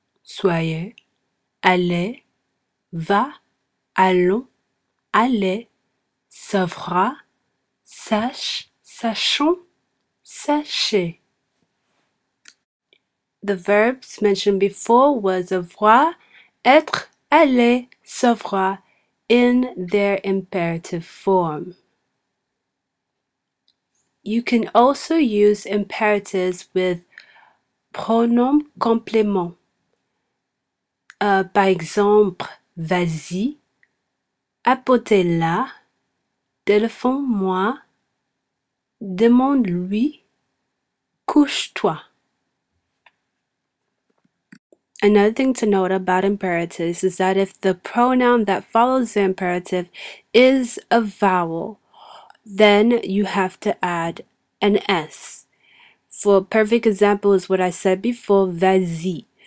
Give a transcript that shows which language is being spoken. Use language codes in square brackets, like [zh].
[fr] Soyez, allez, va, allons, allez, s'offra, sache, sachons, sachez. [en] The verbs mentioned before was avoir, être, aller, s'offra in their imperative form. You can also use imperatives with pronom complément. [fr] Par exemple, vas-y, apportez-la, téléphone-moi, demande-lui, couche-toi. [en] Another thing to note about imperatives is that if the pronoun that follows the imperative is a vowel, then you have to add an S. For a perfect example is what I said before, vas-y.